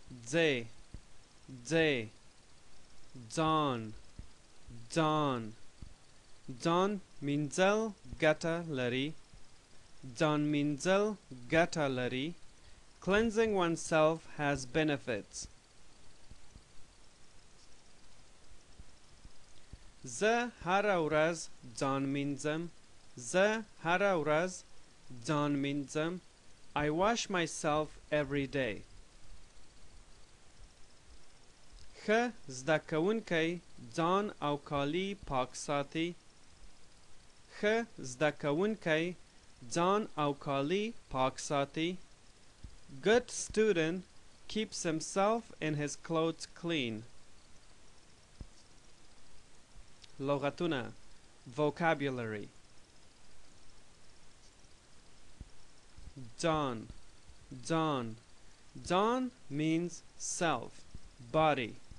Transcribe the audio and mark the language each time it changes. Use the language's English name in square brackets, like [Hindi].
[Pashto] ز ز ځان ځان ځان مینځل ګټه لري. ځان مینځل ګټه لري. [English] Cleansing oneself has benefits. [Pashto] زه هر ورځ ځان مینځم. زه هر ورځ ځان مینځم. [English] I wash myself every day. [Pashto] ښه زده کوونکی ځان او کالی پاک ساتي. ښه زده کوونکی ځان او کالی پاک ساتي. [English] Good student keeps himself and his clothes clean. [Pashto] لغتونه. Vocabulary. [English] John. John. John means self, body.